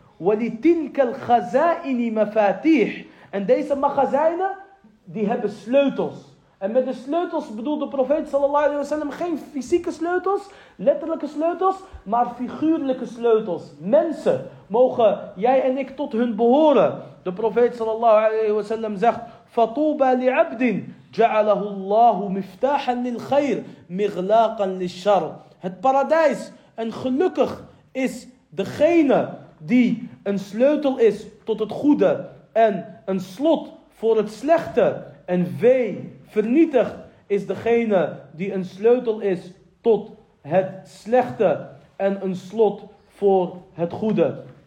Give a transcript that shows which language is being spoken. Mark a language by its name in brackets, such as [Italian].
[Arabic] وَلِتِنْكَ الْخَزَائِنِ مَفَاتِيح. [Dutch] En deze magazijnen die hebben sleutels. En met de sleutels bedoelt de profeet sallallahu alaihi wasallam geen fysieke sleutels, letterlijke sleutels, maar figuurlijke sleutels. Mensen mogen jij en ik tot hun behoren. De profeet sallallahu alaihi wasallam zegt: [Arabic] فَطُوبَى لِعَبْدٍ جَعَلَهُ اللَّهُ مِفْتَاحًا لِلْخَيْرِ مِغْلَاقًا لِلْشَرِ. [Dutch] Het paradijs en gelukkig is degene die een sleutel is tot het goede en een slot voor het slechte. En wee, vernietigd is degene die een sleutel is tot het slechte en een slot voor het goede.